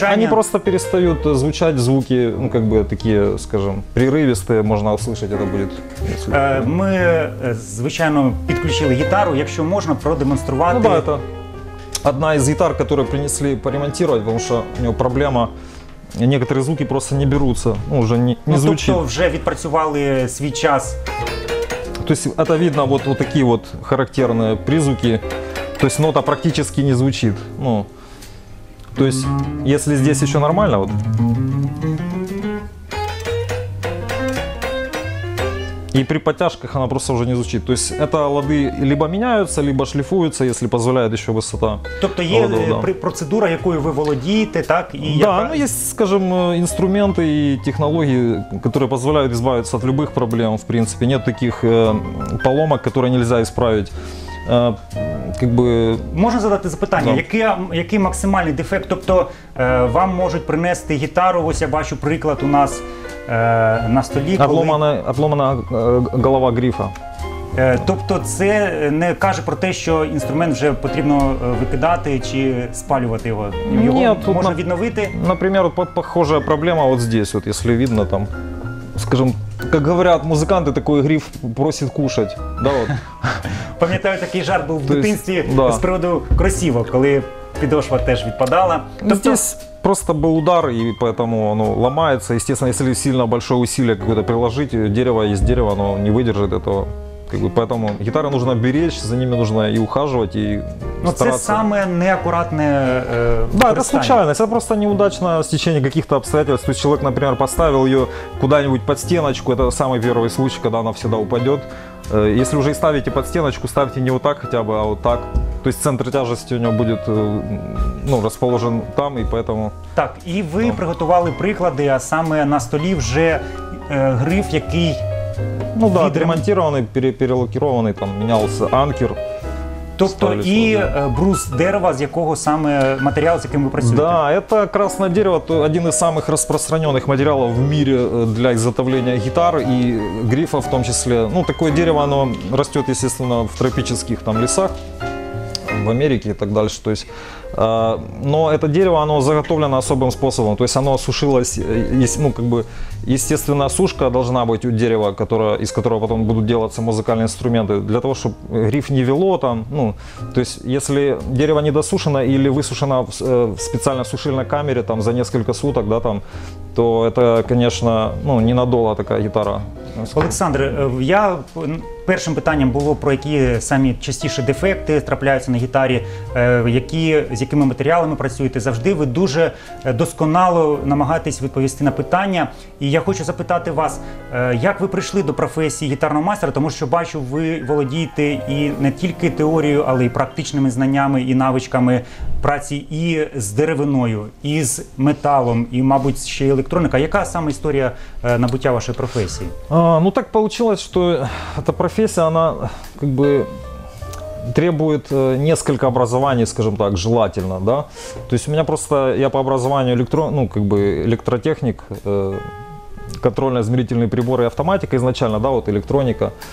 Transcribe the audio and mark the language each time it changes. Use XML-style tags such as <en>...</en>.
<ru>Да, они просто перестают звучать, звуки, ну, как бы такие, скажем, прерывистые, можно услышать, это будет.</ru> <uk>Мы, звичайно,</uk> <ru>подключили гитару,</ru> <uk>якщо можна продемонструвати.</uk> <ru>Ну да, это одна из гитар, которую принесли поремонтировать, потому что у него проблема. Некоторые звуки просто не берутся, ну, уже не звучит.</ru> <uk>Тобто вже відпрацювали свій час.</uk> <ru>То есть это видно вот такие вот характерные призвуки. То есть нота практически не звучит. Ну, то есть если здесь еще нормально, вот. И при подтяжках она просто уже не звучит. То есть это лады либо меняются, либо шлифуются, если позволяет еще высота.</ru> <uk>Тобто є ладов, да. Процедура, якою ви володієте, так? І да, яка...</uk> <ru>ну есть, скажем, инструменты и технологии, которые позволяют избавиться от любых проблем, в принципе. Нет таких поломок, которые нельзя исправить. Как бы...</ru> <uk>Можна задати запитання, да. Який максимальний дефект? Тобто вам можуть принести гітару, ось я бачу приклад у нас. На столі, коли...</uk> <ru>Отломана голова грифа.</ru> <uk>Тобто це не каже про те, що інструмент вже потрібно викидати чи спалювати його? Ні, його можна відновити? Наприклад, похожа проблема ось тут, ось, якщо видно там. Скажімо, як говорять музиканти, такий гриф просить кушати. Да, пам'ятаю, такий жарт був в дитинстві, да. З приводу кросівок, коли підошва теж відпадала. Тобто... Здесь...</uk> <ru>Просто был удар, и поэтому оно ломается. Естественно, если сильно большое усилие какое-то приложить, дерево есть дерево, оно не выдержит этого. Как бы, поэтому гитары нужно беречь, за ними нужно и ухаживать, и но стараться. Это самое неаккуратное Да, это случайность, это просто неудачное стечение каких-то обстоятельств. То есть человек, например, поставил ее куда-нибудь под стеночку, это самый первый случай, когда она всегда упадет. Если уже и ставите под стеночку, ставьте не вот так хотя бы, а вот так. То есть центр тяжести</ru> <uk>у нього буде,</uk> <ru>ну, розположен там, і поэтому.</ru> <uk>Так, і ви там приготували приклади, а саме на столі вже гриф, який, ну, да, відремонтований, перелакірований, там мінявся анкер. Тобто і брус дерева, з якого саме матеріал, з яким ви працюєте?</uk> <ru>Да, это красное дерево, то один из самых распространенных материалов в мире для изготовления гитар и грифа в том числе. Ну, такое дерево, оно растет, естественно, в тропических там лесах. в Америке и так дальше. То есть, но это дерево, оно заготовлено особым способом. То есть оно сушилось, ну, как бы, естественно, сушка должна быть у дерева, которое, из которого потом будут делаться музыкальные инструменты, для того, чтобы гриф не вело там. Ну, то есть если дерево недосушено или высушено в специально сушильной камере там, за несколько суток, да, там, то это, конечно, ну, ненадолго такая гитара.</ru> <uk>Олександр, я першим питанням було, про які самі частіше дефекти трапляються на гітарі, які, з якими матеріалами працюєте. Завжди ви дуже досконало намагаєтесь відповісти на питання. І я хочу запитати вас, як ви прийшли до професії гітарного майстра, тому що бачу, ви володієте і не тільки теорією, але й практичними знаннями і навичками праці і з деревиною, і з металом, і, мабуть, ще й електроніка. Яка саме історія набуття вашої професії?</uk> <ru>Ну,</ru> <uk>так вийшло, що ця професія, вона,</uk> <ru>как бы, требує несколько образований, скажем так, желательно, да? То есть у меня просто, я по образованию электротехник, контрольно-измерительные приборы и автоматика изначально, да, вот электроника.</ru>